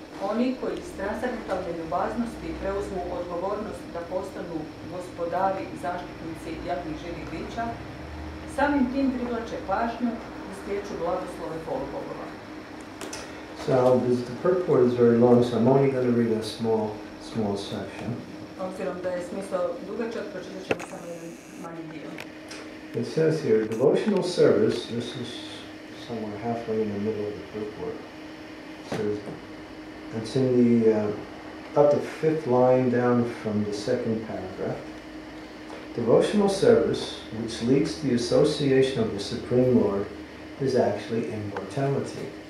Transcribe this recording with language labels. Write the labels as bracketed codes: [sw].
[hr] Oni koji iz transcendentalne ljubaznosti preuzmu odgovornost da postanu gospodari, zaštitnici javnih živih bića, samim tim privlače pažnju i stječu blagoslove polubogova. [en] So this, the purport is very long, so I'm only going to read a small section. [hr] Obzirom da je smisao dugačak, pročitat ćemo samo jedan manji dio. [en] It says here, devotional service, this is somewhere halfway in the middle of the purport, it's in the about the fifth line down from the second paragraph. Devotional service, which leads to the association of the Supreme Lord, is actually immortality.